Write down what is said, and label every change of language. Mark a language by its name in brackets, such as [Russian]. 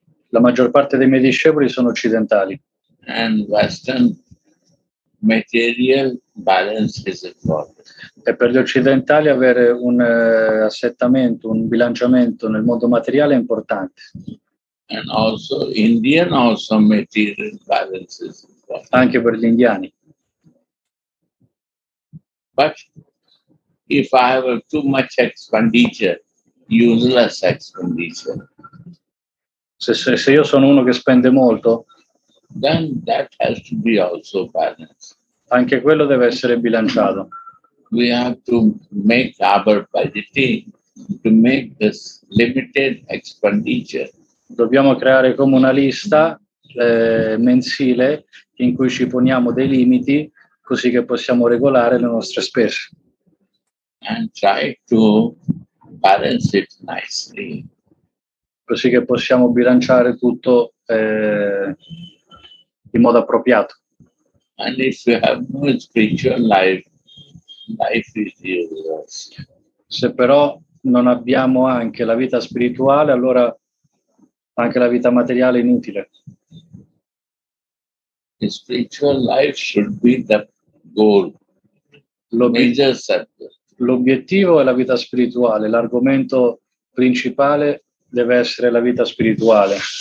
[Italian] La maggior parte dei miei discepoli sono occidentali. [English] And Western material balance is important. [Italian] E per gli occidentali avere un assettamento, un bilanciamento nel mondo materiale è importante. [English] And also Indian also material balance is important. [Italian] Anche per gli indiani. [English] But if I have too much expenditure, useless expenditure. [Italian] Se io sono uno che spende molto, [English] then that has to be also balanced. [Italian] Anche quello deve essere bilanciato. [English] We have to make our budget to make this limited expenditure. [Italian] Dobbiamo creare come una lista mensile in cui ci poniamo dei limiti così che possiamo regolare le nostre spese. [English] And try to balance it nicely. [Italian] Così che possiamo bilanciare tutto in modo appropriato. [English] And if you have no spiritual life, life is useless. [Italian] Se però non abbiamo anche la vita spirituale, allora anche la vita materiale è inutile. [English] The spiritual life should be the goal. [Italian] L'obiettivo è la vita spirituale, l'argomento principale deve essere la vita spirituale.